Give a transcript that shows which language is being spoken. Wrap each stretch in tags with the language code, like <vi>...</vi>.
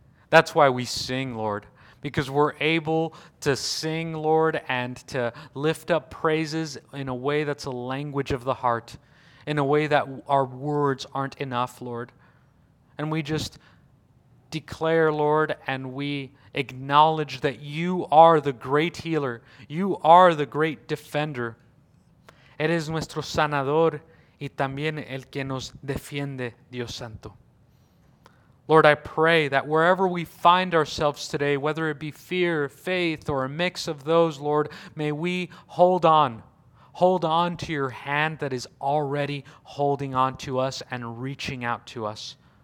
<en>That's why we sing, Lord, because we're able to sing, Lord, and to lift up praises in a way that's a language of the heart, in a way that our words aren't enough, Lord. And we just declare, Lord, and we acknowledge that You are the great healer. You are the great defender.</en> <es>Eres nuestro sanador y también el que nos defiende, Dios Santo.</es> <en>Lord, I pray that wherever we find ourselves today, whether it be fear, faith, or a mix of those, Lord, may we hold on to Your hand that is already holding on to us and reaching out to us.</en>